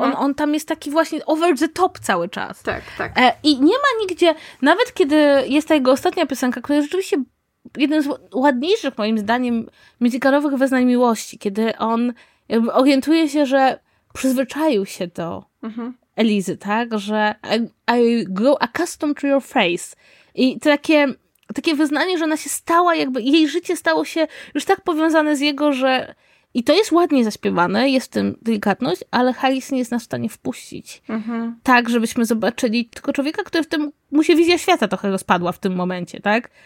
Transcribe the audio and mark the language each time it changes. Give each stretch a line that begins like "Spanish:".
Polish: On tam jest taki właśnie
English: over the top
Polish: cały czas. Tak, tak. I nie ma nigdzie, nawet kiedy jest ta jego ostatnia piosenka, która jest rzeczywiście jeden z ładniejszych, moim zdaniem, musicalowych Weznań Miłości, kiedy on jakby orientuje się, że przyzwyczaił się do Elizy, tak? Że
English: I grew accustomed to your face.
Polish: I to takie wyznanie, że ona się stała jakby, jej życie stało się już tak powiązane z jego, że i to jest ładnie zaśpiewane, jest w tym delikatność, ale Harris nie jest nas w stanie wpuścić. Tak, żebyśmy zobaczyli tylko człowieka, który w tym, mu się wizja świata trochę rozpadła w tym momencie, tak?